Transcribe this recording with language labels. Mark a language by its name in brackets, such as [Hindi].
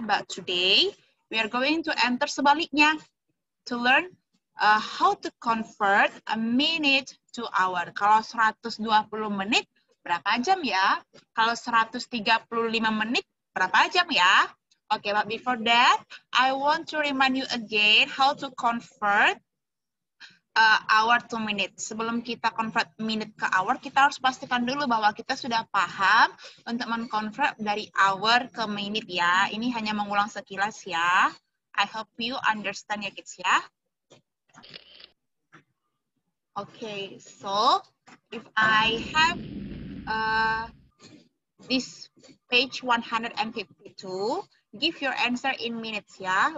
[English] But today we are going to enter [Indonesian] sebaliknya [English] to learn how to convert a minute to hour. [Indonesian] Kalau 120 menit berapa jam ya? Kalau 135 menit, berapa jam ya? [English] Okay, but before that, I want to remind you again how to convert hour to minute. [Indonesian] Sebelum kita convert minute ke hour, kita harus pastikan dulu bahwa kita sudah paham untuk men-convert dari hour ke minute ya. Ini hanya mengulang sekilas ya. [English] I hope you understand ya, kids ya. Okay, so if I have this page 152, give your answer in minutes ya.